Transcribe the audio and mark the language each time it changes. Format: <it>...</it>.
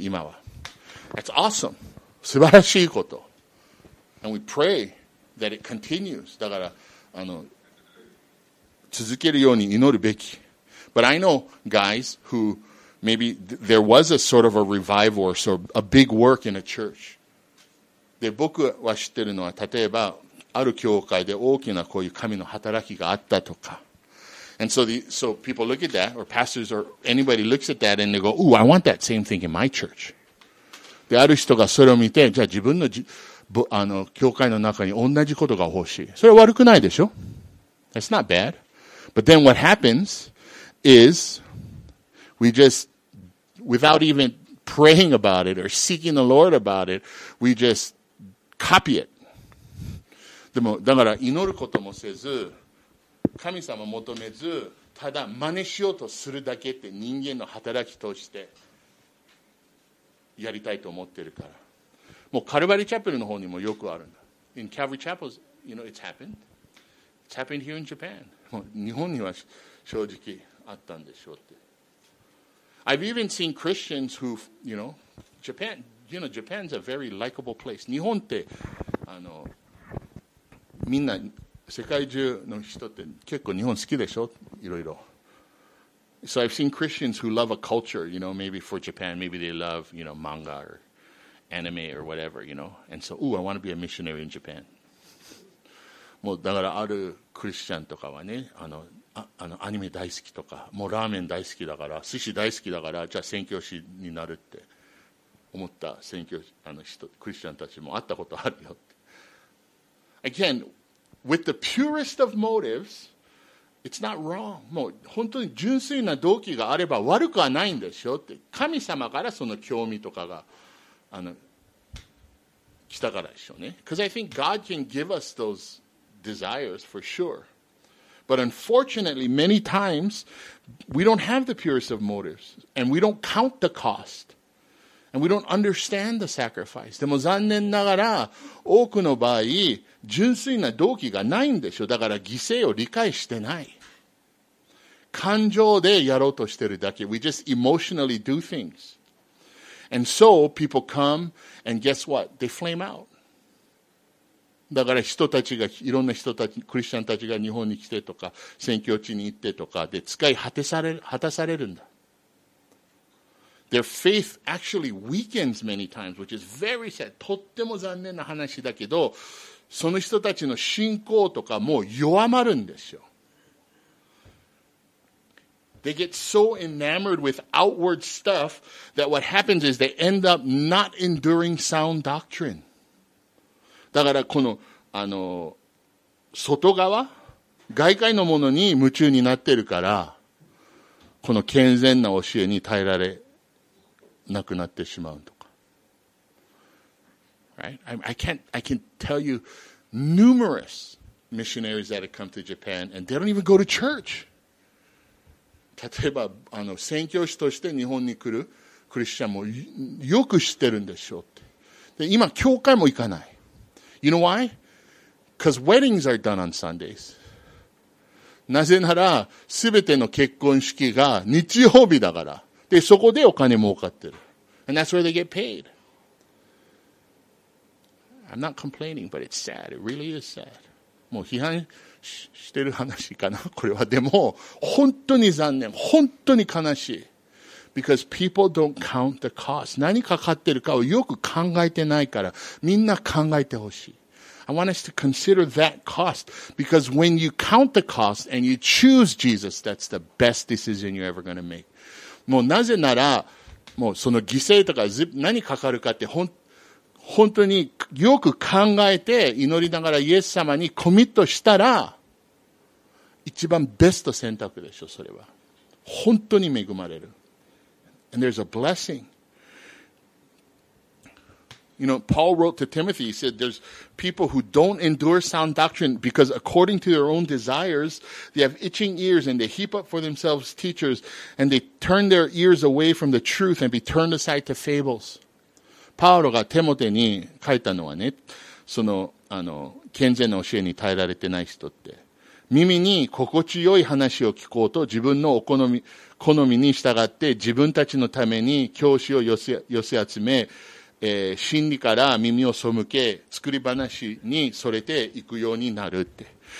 <ja>今は</ja> <en>That's awesome、</en> <ja>素晴らしいこと。</ja> <en>And we pray that it continues、</en> <ja>だからあの続けるように祈るべき。</ja> <en>But I know guys whomaybe there was a sort of a revival or sort of a big work in a church.</en> <ja>で、僕は知ってるのは、例えばある教会で大きなこういう神の働きがあったとか。</ja> <en>And so, so people look at that, or pastors or anybody looks at that and they go, ooh, I want that same thing in my church.</en> <ja>で、ある人がそれを見て、じゃあ自分の、あの教会の中に同じことが欲しい。それは悪くないでしょ?</ja> <en>That's not bad. But then what happens is,We just, without even praying about it or seeking the Lord about it, we just copy it.</en> <ja>でも、だから祈ることもせず、神様求めず、ただ真似しようとするだけって人間の働きとしてやりたいと思ってるから。もうカルバリチャペルの方にもよくあるんだ。</ja> <en>In Calvary Chapels, you know, it's happened. It's happened here in Japan.</en> <ja>もう日本には正直あったんでしょうって。</ja> <en>I've even seen Christians who, you know, Japan, you know, Japan's a very likable place.</en> <ja>日本って、あの、みんな、世界中の人って結構日本好きでしょ? いろいろ。</ja> <en>So I've seen Christians who love a culture, you know, maybe for Japan, maybe they love, you know, manga or anime or whatever, you know. And so, ooh, I want to be a missionary in Japan.</en> <ja>もうだからあるクリスチャンとかはね、あの、あのアニメ大好きとか、もうラーメン大好きだから、寿司大好きだから、じゃあ宣教師になるって思った宣教師、あの人、クリスチャンたちも会ったことあるよって。</ja> <en>Again, with the purest of motives, it's not wrong.</en> <ja>もう本当に純粋な動機があれば悪くはないんでしょって。神様からその興味とかがあの来たからでしょうね。</ja> <en>Because I think God can give us those desires for sure. But unfortunately, many times, we don't have the purest of motives. And we don't count the cost. And we don't understand the sacrifice.</en> <ja>でも残念ながら、多くの場合、純粋な動機がないんでしょ。だから犠牲を理解してない。感情でやろうとしてるだけ。</ja> <en>We just emotionally do things. And so, people come, and guess what? They flame out.</en> <ja>だから人たちが、いろんな人たち、クリスチャンたちが日本に来てとか、宣教地に行ってとか、で、使い果たされるんだ。</ja> <en>Their faith actually weakens many times, which is very sad.</en> <ja>とっても残念な話だけど、その人たちの信仰とかもう弱まるんですよ。</ja> <en>They get so enamored with outward stuff that what happens is they end up not enduring sound doctrine.</en> <ja>だからこの、あの、外側、外界のものに夢中になってるから、この健全な教えに耐えられなくなってしまうとか。</ja> <en>Right? I can tell you numerous missionaries that have come to Japan and they don't even go to church.</en> <ja>例えば、あの、宣教師として日本に来るクリスチャンもよく知ってるんでしょうって。で、今、教会も行かない。</ja> <en>You know why? Because weddings are done on Sundays.</en> <ja>なぜなら、すべての結婚式が日曜日だから。で、そこでお金儲かってる。</ja> <en>And that's where they get paid. I'm not complaining, but it's sad. It really is sad.</en> <ja>もう批判 してる話かな、これは。でも、本当に残念。本当に悲しい。</ja> <en>Because people don't count the cost.</en> <ja>何かかってるかをよく考えてないから、みんな考えてほしい。</ja> <en>I want us to consider that cost. Because when you count the cost and you choose Jesus, that's the best decision you're ever going to make.</en> <ja>もうなぜなら、もうその犠牲とか何かかるかって本当によく考えて祈りながらイエス様にコミットしたら、一番ベスト選択でしょ、それは。本当に恵まれる。</ja> <en>And there's a blessing. You know, Paul wrote to Timothy, he said, there's people who don't endure sound doctrine because according to their own desires, they have itching ears and they heap up for themselves teachers and they turn their ears away from the truth and be turned aside to fables.</en> <ja>パウロがテモテに書いたのはね、その健全な教えに耐えられてない人って、耳に心地よい話を聞こうと自分のお好みに従って自分たちのために教師を寄せ集め、真理から耳を背け、作り話にそれていくようになるって。</ja>